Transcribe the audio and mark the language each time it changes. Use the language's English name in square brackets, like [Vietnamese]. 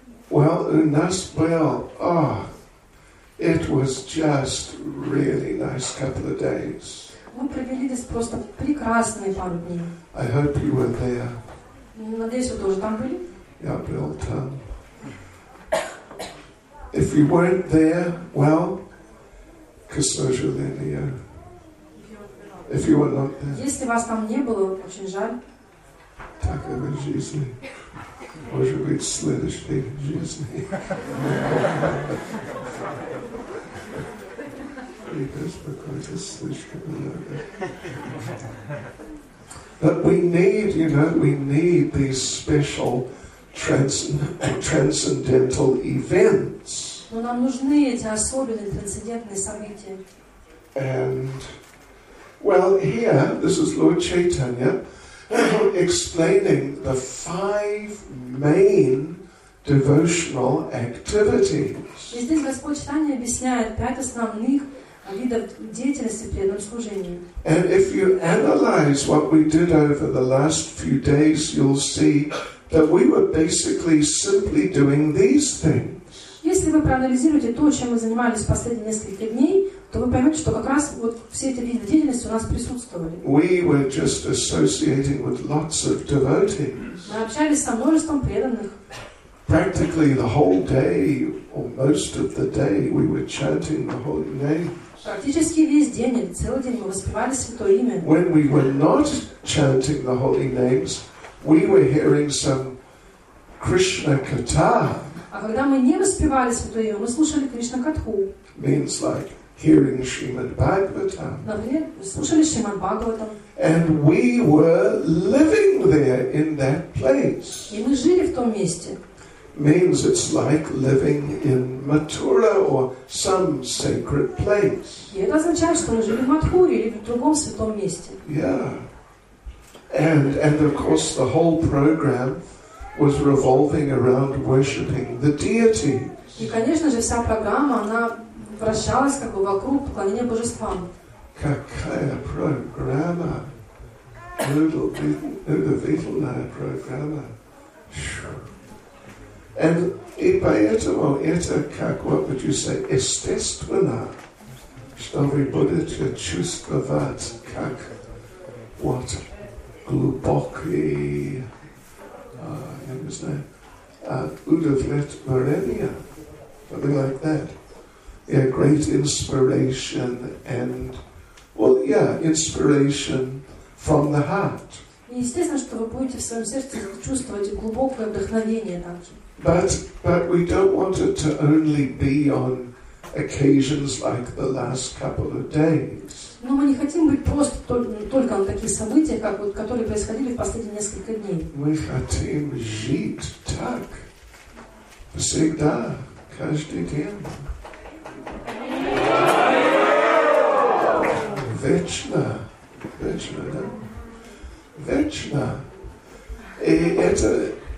[English] Well, in this well, oh, it was just really nice couple of days. [Russian] Мы провели здесь просто прекрасные пару дней. [English] I hope you were there. [Russian] Надеюсь, вы тоже там были. [English] Yeah, Bill, if you weren't there, well, Kasoja Linia. If you were not there. [Russian] Если вас там не было, очень жаль. Так, это жизнь. Может быть, следующий день жизни. И беспокойся слишком много. [English] But we need, you know, we need these special transcendental events. [Russian] Но нам нужны эти особенные трансцендентные события. [English] And well, here this is Lord Chaitanya explaining the five main devotional activities. [Russian] Здесь Господь Чайтанья объясняет пять основных видов деятельности при этом служении. [English] And if you analyze what we did over the last few days, you'll see that we were basically simply doing these things. [Russian] Если вы проанализируете то, чем мы занимались последние несколько дней, то вы поймете, что как раз вот все эти виды деятельности у нас присутствовали. [English] We were just associating with lots of devotees. [Russian] Мы общались со множеством преданных. [English] Practically the whole day, or most of the day, we were chanting the holy name. [Russian] Практически весь день, или целый день, мы воспевали святое имя. [English] When we were not chanting the holy names, we were hearing some Krishna katha. [Russian] А когда мы не воспевали святое имя, мы слушали Кришна катху. [English] Means like hearing Shrimad Bhagavatam. [Russian] Например, слушали Шримад Бхагаватам. [English] And we were living there in that place. [Russian] И мы жили в том месте. [English] Means it's like living in Mathura or some sacred place. [Russian] Это означает, что мы жили в Матхуре или в другом святом месте. [English] Yeah. And of course the whole program was revolving around worshiping the deity. [Russian] И, конечно же, вся программа, она вращалась как бы вокруг поклонения божествам. Какая программа? Удивительная программа. [English] And [Russian] и поэтому это как, [English] what would you say, [Russian] естественно, что вы будете чувствовать как, [English] what, [Russian] глубокий, я не знаю, удовлетворение, [English] something like that. Yeah, great inspiration and, well, yeah, inspiration from the heart. [Russian] Естественно, что вы будете в своем сердце чувствовать глубокое вдохновение также. [English] But we don't want it to only be on occasions like the last couple of days. [Russian] Но мы не хотим быть просто только на таких событиях, как вот которые происходили в последние несколько дней. Мы хотим жить так всегда, каждый день. Вечно, вечно, да? Вечно. И это.